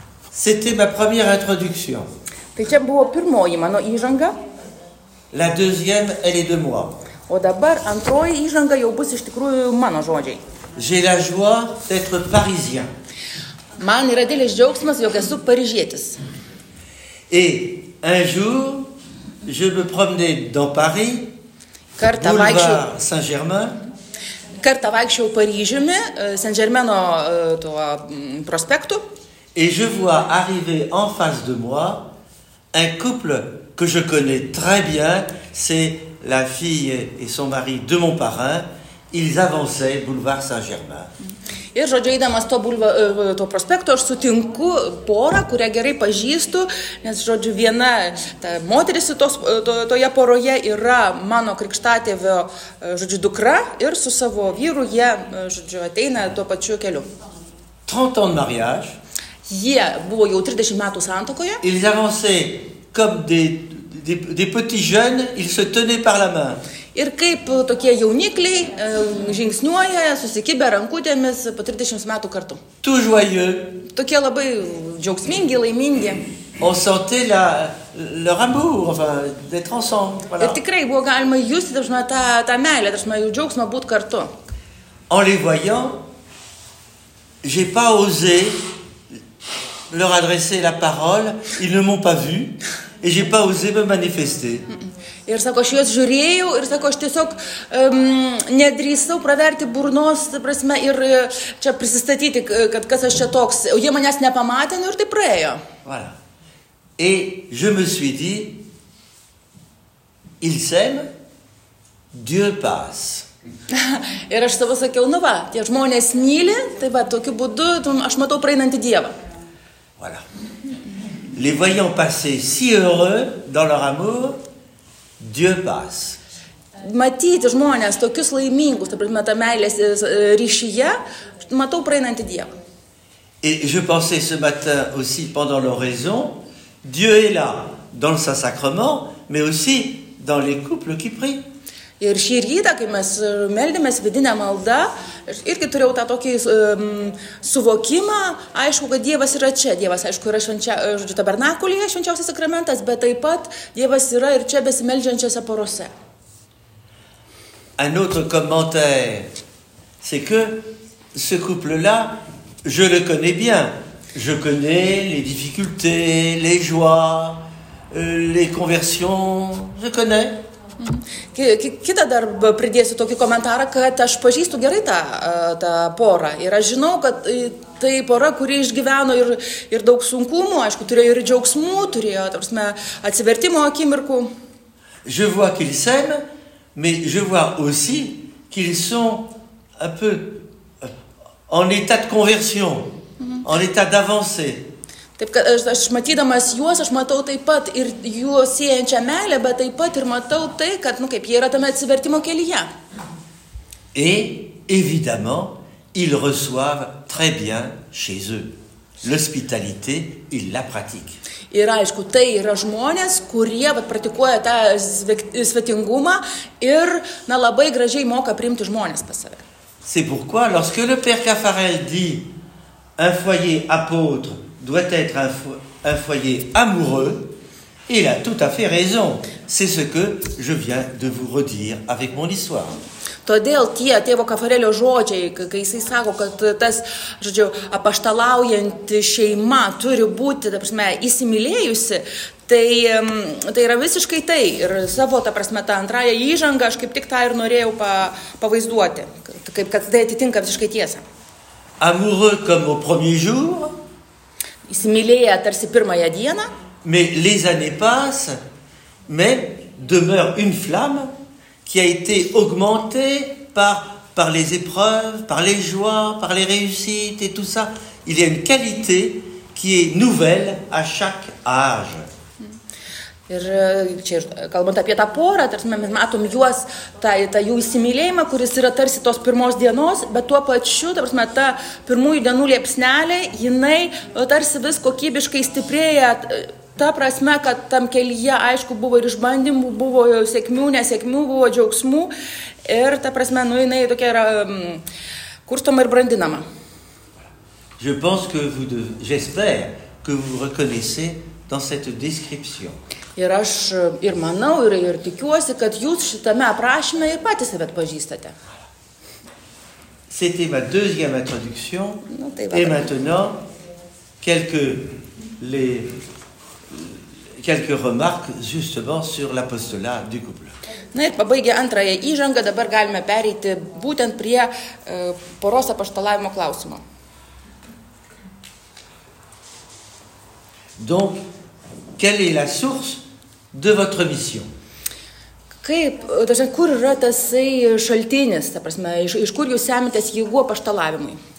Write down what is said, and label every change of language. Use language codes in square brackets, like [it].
[fr] C'était ma première introduction. [lt] Tai čia buvo pirmoji mano įžanga. [fr] La deuxième, elle est de moi. [lt] O dabar antroji įžanga jau bus iš tikrųjų mano žodžiai. [fr] J'ai la joie d'être parisien. [lt] Man yra didelis džiaugsmas, jog esu paryžietis. [fr] Et un jour, je me promenais dans Paris, [lt] kartą [fr] boulevard Saint-Germain. [lt] Kartą vaikščiau Paryžiumi, Saint-Germaino tuo prospektu. [fr] Et je vois arriver en face de moi un couple que je connais très bien, c'est la fille et son mari de mon parrain, ils avançaient boulevard Saint-Germain. [lt] Ir žodžiu, eidamas to, to prospekto, aš sutinku porą, kurią gerai pažįstu, nes, žodžiu, viena ta moteris toje poroje yra mano krikštatėvio, žodžiu, dukra ir su savo vyru jie, žodžiu, ateina tuo pačiu keliu. [fr] 30 ans de mariage. [lt] Jie buvo jau 30 metų santokoje. [fr] Ils avançaient comme des petits jeunes, ils se tenaient par la main. [lt] Ir kaip tokie jaunikliai žingsniuoja, susikibę rankutėmis po 30 metų kartu. [fr] Tout joyeux. [lt] Tokie labai džiaugsmingi, laimingi. [fr] On sentait leur amour, enfin, d'être ensemble. Voilà. [lt] Ir tikrai buvo galima justi dažnai tą meilę, dažnai jų džiaugsmą būti kartu. [fr] En les voyant, j'ai pas osé leur adresser la parole, ils ne m'ont pas vu et j'ai pas osé me manifester. [lt] Ir sako, aš juos žiūrėjau ir sako, aš tiesiog nedrįsau praverti burnos, prasme, ir čia prisistatyti, kad kas aš čia toks. O jie manęs nepamatė, ir tai praėjo. [fr] Voilà. Et je me suis dit, ils s'aiment, Dieu passe. [lt] Ir aš savo sakiau, nu va, tie žmonės myli, tai va, tokiu būdu aš matau praeinantį Dievą. [fr] Voilà. Les voyant passer si heureux dans leur amour, Dieu passe. [lt] Matyti žmonės tokius laimingus, ta prasme, ta meilės ryšyje, matau praeinantį Dievą. [fr] Et je pensais ce matin aussi pendant l'oraison, Dieu est là dans le Saint-Sacrement, mais aussi dans les couples qui prient. [lt] Ir šį rytą, kai mes meldėmės vidinę maldą, aš irgi turėjau tą tokį suvokimą, aišku, kad Dievas yra čia. Dievas, aišku, yra žodžiu, tabernakulėje švenčiausias sakramentas, bet taip pat Dievas yra ir čia besimeldžiančiose porose. [fr] Un autre commentaire, c'est que ce couple-là, je le connais bien. Je connais les difficultés, les joies, les conversions, je connais. [lt] Kitą dar pridėsiu tokį komentarą, kad aš pažįstu gerai tą porą. Ir aš žinau, kad tai pora, kuri išgyveno ir daug sunkumų, aišku, turėjo ir džiaugsmų, turėjo atsivertimo akimirkų. [fr] Je vois qu'ils s'aiment, mais je vois aussi qu'ils sont un peu en état de conversion, en état d'avancée. [lt] Taip, kad aš matydamas juos, aš matau taip pat ir juos siejančią meilę, bet taip pat ir matau tai, kad, nu kaip, jie yra tame atsivertimo kelyje. [fr] Et, évidemment, ils reçoivent très bien chez eux. L'hospitalité et la pratique. [lt] Ir aišku, tai yra žmonės, kurie vat, praktikuoja tą svetingumą ir na, labai gražiai moka priimti žmonės pas save. [fr] C'est pourquoi lorsque le père Caffarel dit un foyer apôtre doit être un foyer amoureux, il a tout à fait raison. C'est ce que je viens de vous redire avec mon histoire. [lt] Todėl tie tėvo Kafarelio žodžiai, kai jisai sako, kad tas, žodžiu, apaštalaujanti šeima turi būti, ta prasme, įsimylėjusi, tai, tai yra visiškai tai. Ir savo, ta prasme, tą antrąją įžangą aš kaip tik tą ir norėjau pavaizduoti, kaip kad tai atitinka visiškai tiesą. [fr] Amoureux comme au premier jour. [lt] Įsimylėję tarsi pirmąją dieną. [fr] Mais les années passent, mais demeure une flamme qui a été augmentée par les épreuves, par les joies, par les réussites et tout ça. Il y a une qualité qui est nouvelle à chaque âge. [lt] Ir čia, kalbant apie tą porą, tarsi mes matom juos, tą jų įsimylėjimą, kuris yra tarsi tos pirmos dienos, bet tuo pačiu, tarsi, ta pirmųjų dienų liepsnelė, jinai tarsi vis kokybiškai stiprėja. Ta prasme, kad tam kelyje, aišku, buvo ir išbandymų, buvo sėkmių, nesėkmių, buvo džiaugsmų. Ir ta prasme, nu, jinai tokia yra kurstoma ir brandinama. [fr] Je pense que vous j'espère que vous reconnaissez dans cette description. [lt] Ir aš ir manau, ir tikiuosi, kad jūs šitame aprašyme ir patys save pažįstate. [fr] C'était ma deuxième introduction. Et maintenant, quelques remarques justement sur l'apostolat du couple. [lt] Na ir pabaigę antrąją įžangą, dabar galime pereiti būtent prie poros apaštalavimo klausimo. [fr] Donc, quelle est la source de votre mission? [lt] Kaip, dažiūrėk, kur yra tasai šaltinis, ta prasme, iš kur jūs semitės jėgų apaštalavimui?